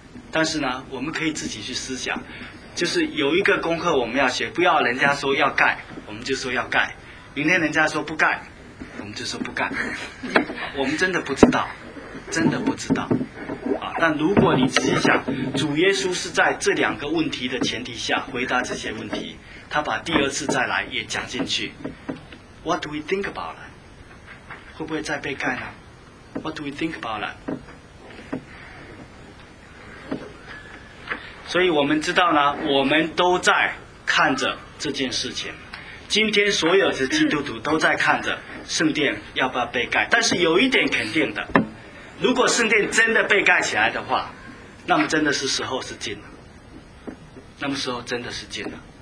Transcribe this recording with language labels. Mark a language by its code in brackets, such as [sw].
[zh] 但是呢，我们可以自己去思想，就是有一个功课我们要学，不要人家说要改我们就说要改，明天人家说不改我们就说不改。我们真的不知道，真的不知道啊！但如果你仔细想，主耶稣是在这两个问题的前提下回答这些问题，他把第二次再来也讲进去。 [en] What do we think about that? [zh] 会不会再被盖呢？ [en] What do we think about that? [zh] 所以我们知道呢，我们都在看着这件事情。今天所有的基督徒都在看着圣殿要不要被盖，但是有一点肯定的，如果圣殿真的被盖起来的话，那么真的是时候是近了，那么时候真的是近了。